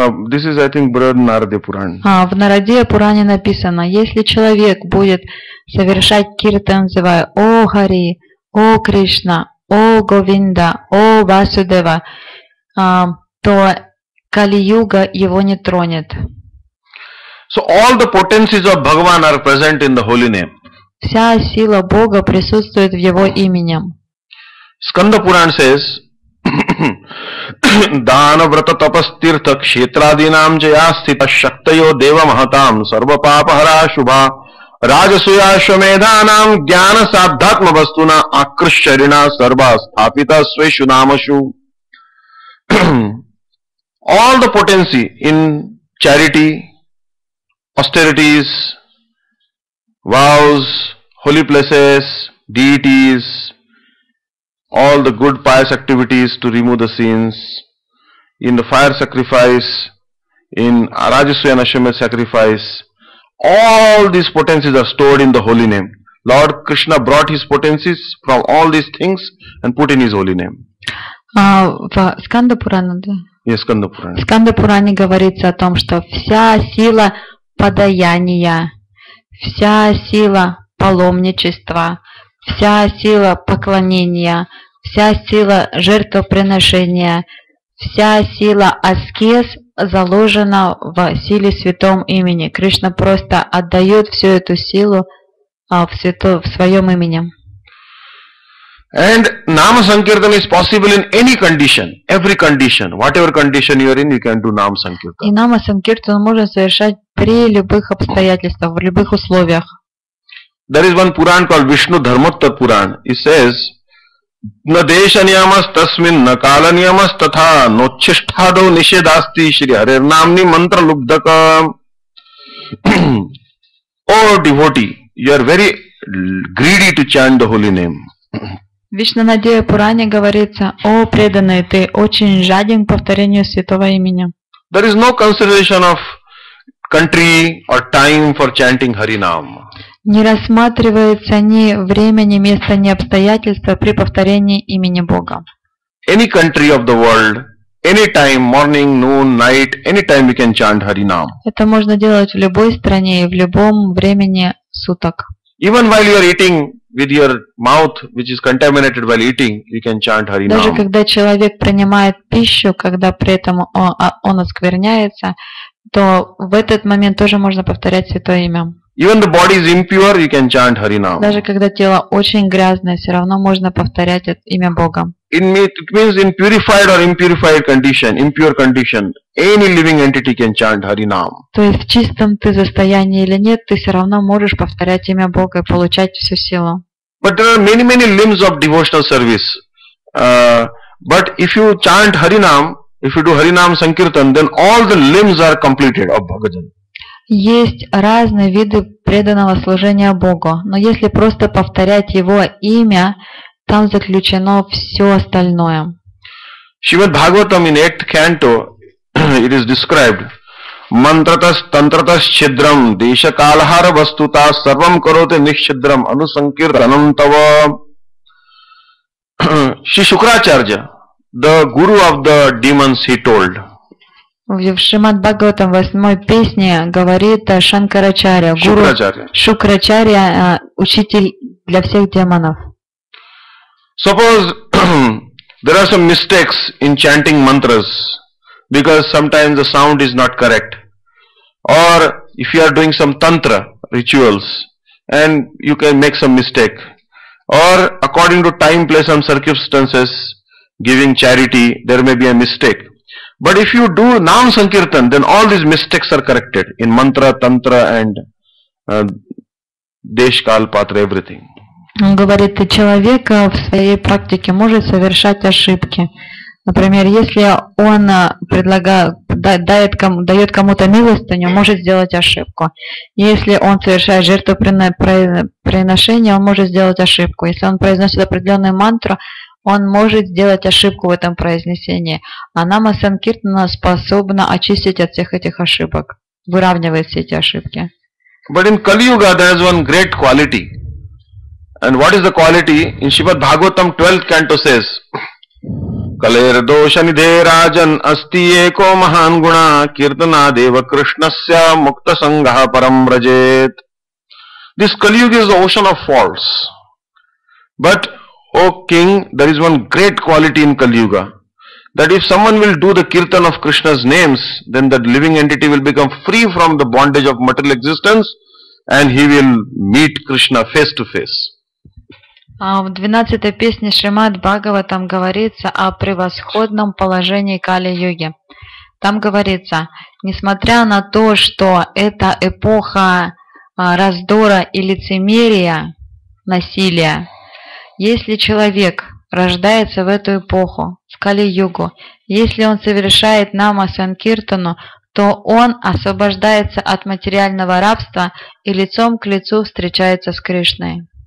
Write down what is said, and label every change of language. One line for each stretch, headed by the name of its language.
English: This is, I think, Брихад Нарада Пурана.
Russian: В Нарадия Пуране написано, если человек будет совершать киртан, называя «О Хари», «О Кришна», «О Говинда», «О Васудева», то Кали-юга его не тронет.
English: So all the potencies of Bhagavan are present in the holy name.
Russian: Вся сила Бога присутствует в его имени.
English: Сканда Пуран says,
Sanskrit: дана брата тапастирта кшетрадинам жаястита шактайо дева махатам сарвапапахара шуба раджасуя шамеданам гьяна саддхатма вастуна акршарина сарва стапита свешу намашу.
English: All the potency in charity, austerities, vows, holy places, deities, all the good pious activities to remove the sins, in the fire sacrifice, in Rajasuya Nashyamed sacrifice, all these potencies are stored in the holy name. Lord Krishna brought his potencies from all these things and put in his holy name.
Russian: В Сканда Пуране, да?
English: Yes, Сканда Пуране.
Russian: В Сканда Пуране говорится о том, что вся сила подаяния, вся сила паломничества, вся сила поклонения, вся сила жертвоприношения, вся сила аскез заложена в силе святом имени. Кришна просто отдает всю эту силу в своем имени.
English: And Nama Sankirtan is possible in any condition, every condition, whatever condition you are in, you can do Nama Sankirtan.
Russian: И Нама Санкиртан можно совершать при любых обстоятельствах, в любых условиях.
English: There is one Puran called Vishnu Dharmottar Puran. It says,
Sanskrit: Na desha niyamas tasmin, na kala niyamas tatha, no chishthado nishedasti shri harir namni mantra lubdakam.
English: Oh devotee, you are very greedy to chant the holy name.
Russian: Вишнанадея Пуране говорится: «О преданный, ты очень жаден к повторению святого имени».
English: There is no consideration of country or time for chanting Harinam.
Russian: Не рассматривается ни время, ни место, ни обстоятельства при повторении имени Бога.
English: Any country of the world, any time, morning, noon, night, any time we can chant Harinam.
Russian: Это можно делать в любой стране и в любом времени суток.
English: Even while you are eating. With your mouth, which is contaminated while eating, you can chant Hari Nam.
Russian: Даже когда человек принимает пищу, когда при этом он оскверняется, то в этот момент тоже можно повторять святое имя.
English: Even the body is impure, you can chant Hari Nam.
Russian: Даже когда тело очень грязное, все равно можно повторять имя Бога.
English: It means in purified or impurified condition, impure condition, any living entity can chant Hari Nam.
Russian: То есть в чистом ты состоянии или нет, ты все равно можешь повторять имя Бога и получать всю силу.
English: But there are many, many limbs of devotional service. But if you chant Hari Nam, if you do Hari Nam Sankirtan, then all the limbs are completed of Bhagavan.
Russian: Есть разные виды преданного служения Богу, но если просто повторять Его имя, там заключено все остальное.
Sanskrit: Шримад Бхагаватам
English: in 8th canto it is described:
Sanskrit: Мантратас тантратас чедрам деша калхар вастута сарвам кароте нишчедрам анусанкиртанам тава.
English: Шри Шукрачарджа, the guru of the demons, he told.
Russian: В Шримад Бхагаватам 8 песне говорит Шанкарачарья, гуру Шукрачарья, учитель для всех демонов.
English: Suppose there are some mistakes in chanting mantras because sometimes the sound is not correct. Or if you are doing some tantra rituals and you can make some mistake. Or according to time, place and circumstances, giving charity, there may be a mistake. But if you do Naam Sankirtan, then all these mistakes are corrected in mantra, tantra and desh, kal, patra, everything.
Russian: Он говорит, что человек в своей практике может совершать ошибки. Например, если он дает кому-то милостыню, может сделать ошибку. Если он совершает жертвоприношение, он может сделать ошибку. Если он произносит определенную мантру, он может сделать ошибку в этом произнесении. А Нама Санкиртана способна очистить от всех этих ошибок, выравнивает все эти ошибки.
English: But in Kali Yuga there is one great quality. And what is the quality? In Shrimad Bhagavatam 12th canto says,
Sanskrit: Kaler dosha nidhe rajan asti eko mahan guna kirtana deva krishnasya mukta sangha param brajet.
English: This Kali Yuga is the ocean of faults. But, O king, there is one great quality in Kali Yuga. That if someone will do the kirtan of Krishna's names, then that living entity will become free from the bondage of material existence and he will meet Krishna face to face.
Russian: В 12-й песне Шримад Бхагава там говорится о превосходном положении Кали-йоги. Там говорится, несмотря на то, что это эпоха раздора и лицемерия, насилия, если человек рождается в эту эпоху, в Кали-йогу, если он совершает нама-санкиртану, то он освобождается от материального рабства и лицом к лицу встречается с Кришной.